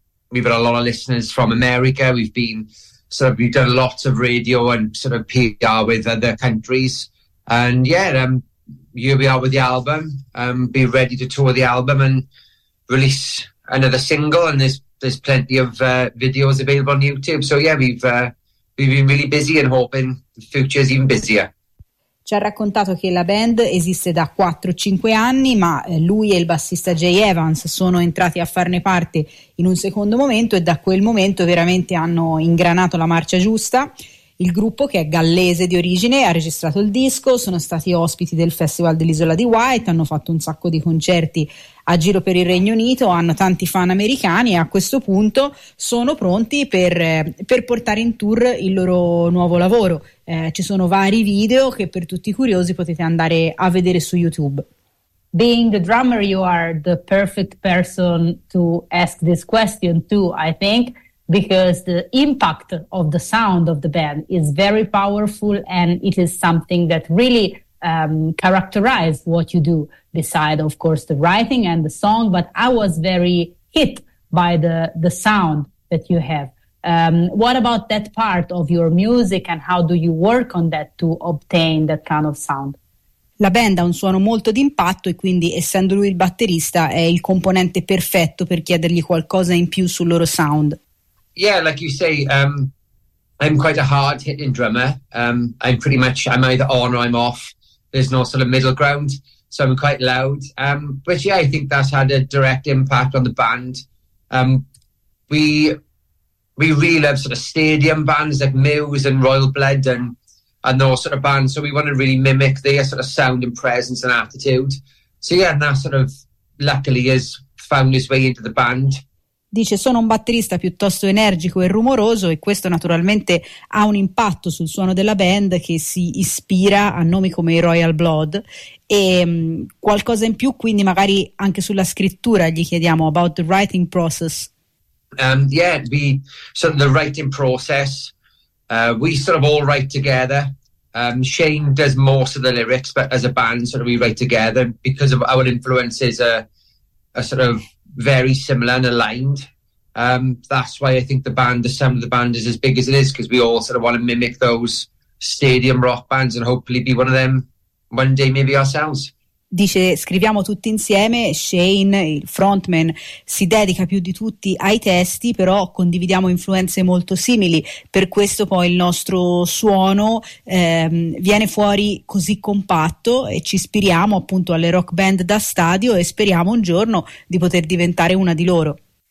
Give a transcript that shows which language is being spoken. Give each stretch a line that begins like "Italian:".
English: We've got a lot of listeners from America. We've done lots of radio and sort of PR with other countries. And yeah, here we are with the album. Be ready to tour the album and release another single. And there's plenty of videos available on YouTube. So yeah, we've been really busy and hoping the future is even busier.
Italian: Ci ha raccontato che la band esiste da 4-5 anni, ma lui e il bassista Jay Evans sono entrati a farne parte in un secondo momento, e da quel momento veramente hanno ingranato la marcia giusta. Il gruppo, che è gallese di origine, ha registrato il disco, sono stati ospiti del Festival dell'Isola di Wight, hanno fatto un sacco di concerti a giro per il Regno Unito, hanno tanti fan americani e a questo punto sono pronti per portare in tour il loro nuovo lavoro. Ci sono vari video che, per tutti i curiosi, potete andare a vedere su YouTube.
English: Being the drummer, you are the perfect person to ask this question to, I think, because the impact of the sound of the band is very powerful, and it is something that really characterizes what you do, beside of course the writing and the song. But I was very hit by the sound that you have. What about that part of your music, and how do you work on that to obtain that kind of sound?
Italian: La band ha un suono molto d'impatto, e quindi, essendo lui il batterista, è il componente perfetto per chiedergli qualcosa in più sul loro sound.
English: Yeah, like you say, I'm quite a hard-hitting drummer. I'm either on or I'm off. There's no sort of middle ground, so I'm quite loud. But yeah, I think that's had a direct impact on the band. We really love sort of stadium bands like Muse and Royal Blood and those sort of bands, so we want to really mimic their sort of sound and presence and attitude. So yeah, and that sort of luckily has found his way into the band.
Italian: Dice: sono un batterista piuttosto energico e rumoroso, e questo naturalmente ha un impatto sul suono della band, che si ispira a nomi come i Royal Blood. E qualcosa in più, quindi, magari anche sulla scrittura, gli chiediamo
English: about the writing process. The writing process. We sort of all write together. Shane does most of the lyrics, but as a band, sort of we write together because of our influences are sort of very similar and aligned. That's why I think the sound of the band is as big as it is, because we all sort of want to mimic those stadium rock bands and hopefully be one of them one day, maybe ourselves.
Italian: Dice: scriviamo tutti insieme, Shane, il frontman, si dedica più di tutti ai testi, però condividiamo influenze molto simili, per questo poi il nostro suono viene fuori così compatto, e ci ispiriamo appunto alle rock band da stadio e speriamo un giorno di poter diventare una di loro.